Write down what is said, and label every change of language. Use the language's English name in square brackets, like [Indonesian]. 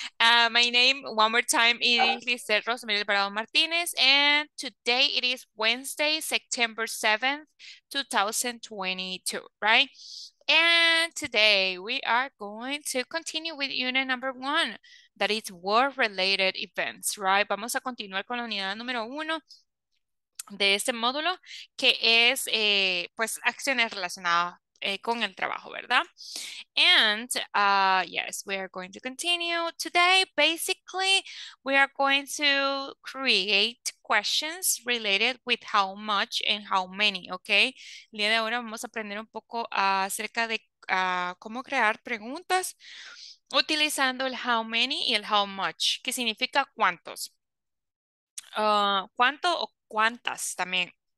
[English] My name, one more time, is Rosemary Alvarado Martinez, and today it is Wednesday, September 7th, 2022. Right? And today we are going to continue with unit number one. That is war-related events, right? [Spanish] Vamos a continuar con la unidad número uno de este módulo, que es pues acciones relacionadas con el trabajo, ¿verdad? [English] And yes, we are going to continue today. Basically, we are going to create questions related with how much and how many, okay? [Spanish] El día de ahora vamos a aprender un poco acerca de cómo crear preguntas. Utilizando el how many y el how much, que significa cuántos. ¿Cuánto o cuántas también?